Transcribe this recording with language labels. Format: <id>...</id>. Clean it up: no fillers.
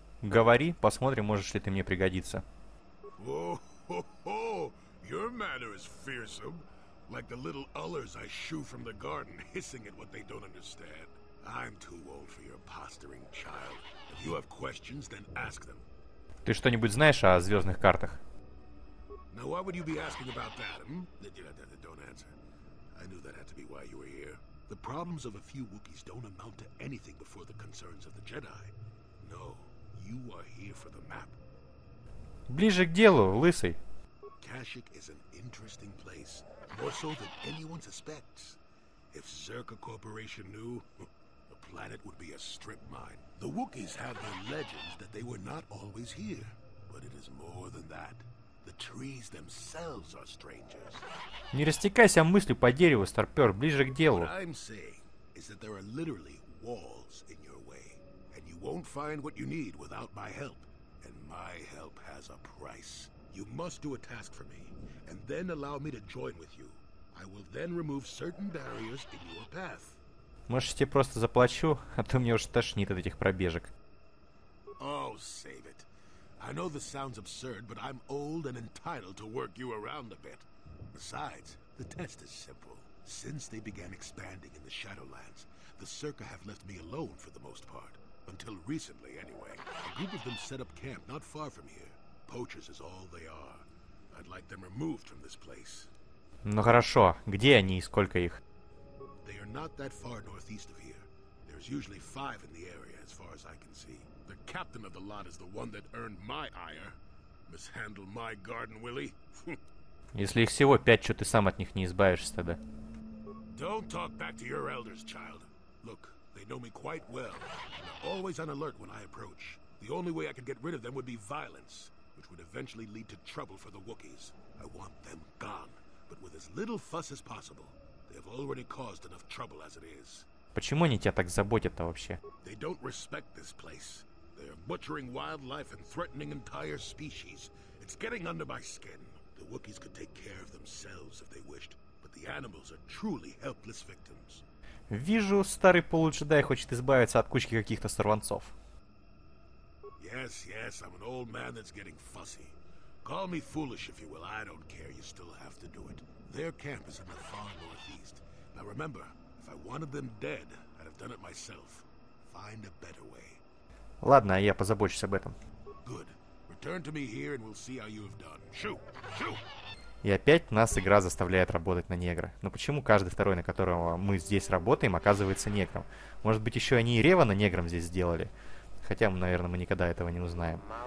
<ru>говори, посмотрим, можешь ли ты мне пригодиться.</ru> <en>Хо-хо! Your manner is fearsome. Like the little ullers I shoo from the garden, hissing at what they don't understand. I'm too old for your posturing, child. If you have questions, then ask them.</en> <ru>Ты что-нибудь знаешь о звездных картах?</ru> <en>Now why would you be asking about that, Don't answer. I knew that had to be why you were here. The problems of a few Wookiees don't amount to anything before the concerns of the Jedi. No, you are here for the map.</en> <ru>Ближе к делу, лысый.</ru> <en>Kashyyyk is an interesting place. More so than anyone suspects. If Zerka Corporation knew, the planet would be a strip mine. The Wookiees have their legends that they were not always here. But it is more than that. The trees themselves are strangers.</en> <ru>Не растекайся мыслью по дереву, старпёр, ближе к делу.</ru> <en>What I'm saying is that there are literally walls in your way. And you won't find what you need without my help. And my help has a price. You must do a task for me, and then allow me to join with you. I will then remove certain barriers in your path.</en> <ru>Может, я тебе просто заплачу, а то мне уже тошнит от этих пробежек.</ru> <en>Oh, save it. I know this sounds absurd, but I'm old and entitled to work you around a bit. Besides, the test is simple. Since they began expanding in the Shadowlands, the Circa have left me alone for the most part. Until recently, anyway. A group of them set up camp not far from here. Poachers is all they are. I'd like them removed from this place.</en> <ru>Ну хорошо, где они и сколько их?</ru> <en>They are not that far northeast of here. There's usually five in the area, as far as I can see. The captain of the lot is the one that earned my ire. Mishandle my garden, Willy.</en> <ru>Если их всего пять, что ты сам от них не избавишься тогда?</ru> <en>Don't talk back to your elders, child. Look, they know me quite well. And they're always on alert when I approach. The only way I could get rid of them would be violence. Which would eventually lead to trouble for the Wookiees. I want them gone, but with as little fuss as possible. They have already caused enough trouble as it is.</en> <ru>Почему они тебя так заботят-то вообще?</ru> <en>They don't respect this place. They are butchering wildlife and threatening entire species. It's getting under my skin. The Wookiees could take care of themselves if they wished, but the animals are truly helpless victims.</en> <ru>Вижу, старый полуджедай хочет избавиться от кучки каких-то сорванцов.</ru> <en>Yes, yes, I'm an old man that's getting fussy. Call me foolish if you will, I don't care, you still have to do it. Their camp is in the far northeast. Now remember, if I wanted them dead, I'd have done it myself. Find a better way.</en> <ru>Ладно, я позабочусь об этом.</ru> <en>Good. Return to me here and we'll see how you have done. Shoo! Shoo!</en> <ru>И опять нас игра заставляет работать на негра. Но почему каждый второй, на которого мы здесь работаем, оказывается негром? Может быть, еще они и Ревана негром здесь сделали? Хотя, наверное, мы никогда этого не узнаем.</ru>